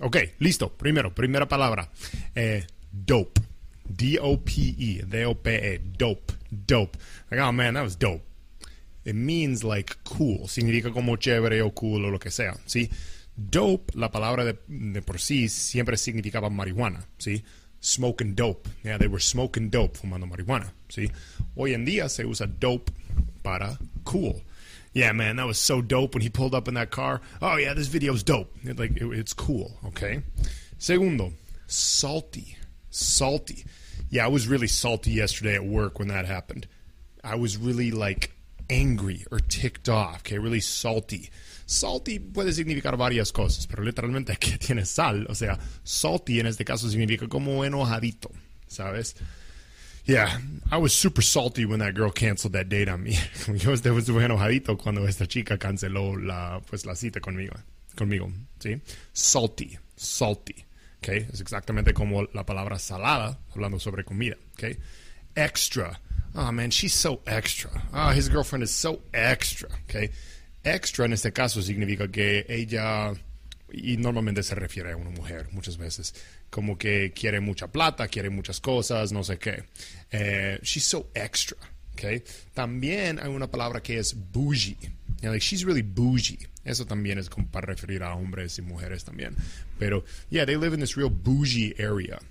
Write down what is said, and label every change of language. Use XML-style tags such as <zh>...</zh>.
<es>Ok, listo. Primera palabra. Dope.</es> <en>D-O-P-E. D-O-P-E. Dope. Dope. Like, oh man, that was dope. It means like cool.</en> <es>Significa como chévere o cool o lo que sea, ¿sí? Dope, la palabra de por sí, siempre significaba marihuana, ¿sí?</es> <en>Smoking dope. Yeah, they were smoking dope,</en> <es>fumando marihuana, ¿sí? Hoy en día se usa dope para cool.</es> <en>Yeah, man, that was so dope when he pulled up in that car. Oh, yeah, this video is dope. It's cool, okay? Segundo, salty. Salty. Yeah, I was really salty yesterday at work when that happened. I was really, like, angry or ticked off, okay? Really salty.</en> <es>Salty puede significar varias cosas, pero literalmente que tiene sal. O sea, salty en este caso significa como enojadito, ¿sabes?</es> <en>Yeah, I was super salty when that girl canceled that date on me.</en> <es>Yo estaba super enojadito cuando esta chica canceló la cita conmigo, ¿sí? Salty, salty, okay? Es exactamente como la palabra salada hablando sobre comida, okay? Extra.</es> <en>Oh, man, she's so extra. Oh, his girlfriend is so extra, okay?</en> <es>Extra en este caso significa que ella, y normalmente se refiere a una mujer muchas veces, como que quiere mucha plata, quiere muchas cosas, no sé qué.</es> <en>She's so extra, okay?</en> <es>También hay una palabra que es bougie.</es> <en>Yeah, like, she's really bougie.</en> <es>Eso también es como para referir a hombres y mujeres también.</es> <en>Pero, yeah, they live in this real bougie area.</en>